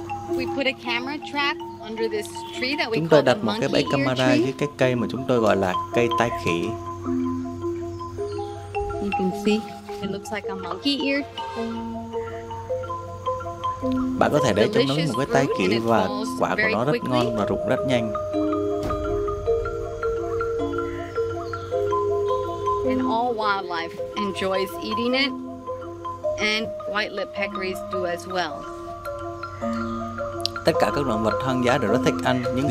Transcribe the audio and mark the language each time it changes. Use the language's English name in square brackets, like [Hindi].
[English] We put a camera trap under this tree that we call [Vietnamese] chúng tôi đặt một cái bẫy camera dưới cái cây mà chúng tôi gọi là cây tai khỉ. [English] You can see it looks like a monkey ear. [Vietnamese] Bạn có thể để trong nó một cái tai khỉ và quả của nó rất ngon và rụng rất nhanh. [English] And all wildlife enjoys eating it, and white-lipped peccaries do as well. [Vietnamese] Tất cả các loài vật hoang dã đều rất thích ăn những